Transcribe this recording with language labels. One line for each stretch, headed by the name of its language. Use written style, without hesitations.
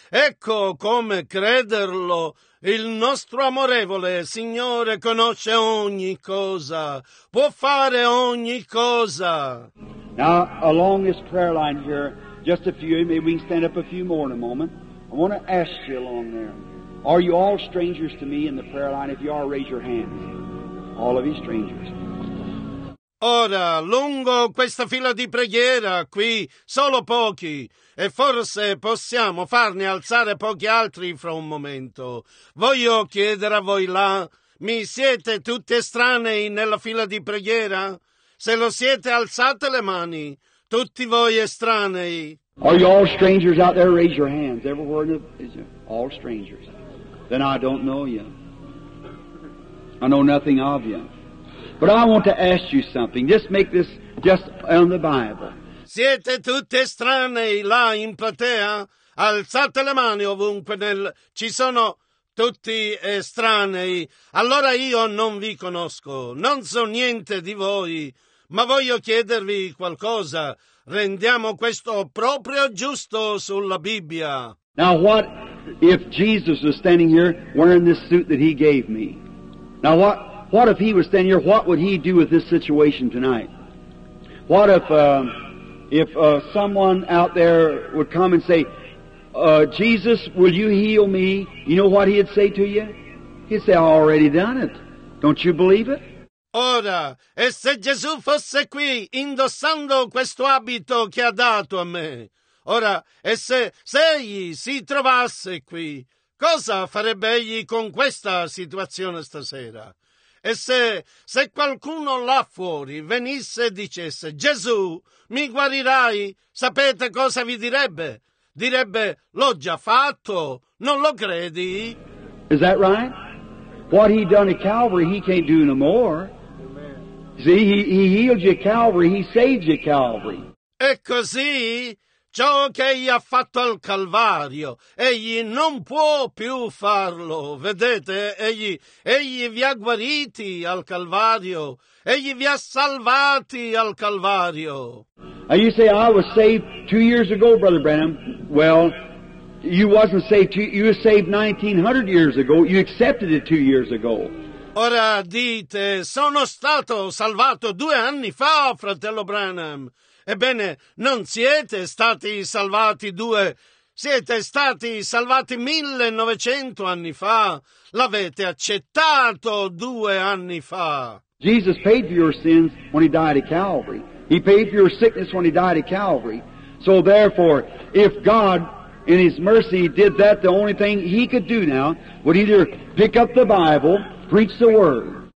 Italian: Ecco come crederlo. Il nostro amorevole Signore conosce ogni cosa, può fare ogni cosa.
English: Now, along this prayer line here, just a few, maybe we can stand up a few more in a moment. I want to ask you along there, are you all strangers to me in the prayer line? If you are, raise your hand. All of you strangers.
Italian: Ora, lungo questa fila di preghiera, qui, solo pochi, e forse possiamo farne alzare pochi altri fra un momento. Voglio chiedere a voi là, mi siete tutti estranei nella fila di preghiera? Se lo siete, alzate le mani. Tutti voi estranei.
English: Are you all strangers out there? Raise your hands. Everywhere in the... Is you, all strangers. Then I don't know you. I know nothing of you. But I want to ask you something. Just make this just on the Bible.
Italian: Siete tutti estranei là in platea? Alzate le mani ovunque nel... Ci sono tutti estranei. Allora io non vi conosco. Non so niente di voi. Ma voglio chiedervi qualcosa. Rendiamo questo proprio giusto sulla Bibbia.
English: Now what if Jesus was standing here wearing this suit that he gave me? Now what if he was standing here? What would he do with this situation tonight? What if someone out there would come and say, Jesus, will you heal me? You know what he'd say to you? He'd say, I already done it. Don't you believe it?
Italian: Ora, e se Gesù fosse qui indossando questo abito che ha dato a me? Ora, e se egli si trovasse qui, cosa farebbe egli con questa situazione stasera? E se qualcuno là fuori venisse e dicesse, Gesù, mi guarirai, sapete cosa vi direbbe? Direbbe, l'ho già fatto, non lo credi?
English: Is that right? What he done at Calvary, he can't do no more. Amen. See, he healed you at Calvary, he saved you at Calvary.
Italian: E così, ciò che egli ha fatto al Calvario, egli non può più farlo. Vedete, egli vi ha guariti al Calvario, egli vi ha salvati al Calvario.
English: And you say, I was saved 2 years ago, Brother Branham. Well, you wasn't saved, you were saved 1900 years ago, you accepted it 2 years ago.
Italian: Ora dite, sono stato salvato 2 anni fa, fratello Branham. Ebbene, non siete stati salvati siete stati salvati 1900 anni fa. L'avete accettato 2 anni fa.
English: Jesus paid for your sins when he died at Calvary. He paid for your sickness when he died at Calvary. So therefore, if God in his mercy did that, the only thing he could do now would either pick up the Bible, preach the word.